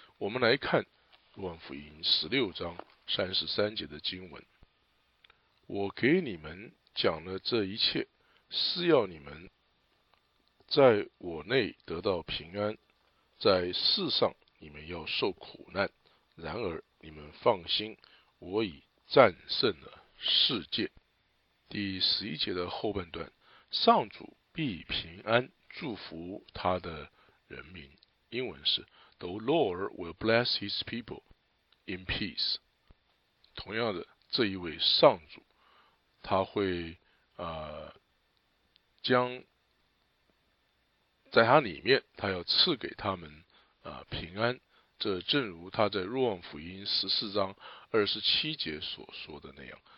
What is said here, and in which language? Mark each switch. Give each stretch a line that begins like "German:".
Chinese: 我们来看若望福音十六章三十三节的经文，我给你们讲了这一切是要你们在我内得到平安，在世上你们要受苦难，然而你们放心，我已战胜了世界。第十一节的后半段，上主必平安祝福他的人民。英文是
English: The Lord will bless his people in peace。
Chinese: 同样的，这一位上主他会将在他里面他要赐给他们平安，这正如他在若望福音十四章二十七节所说的那样。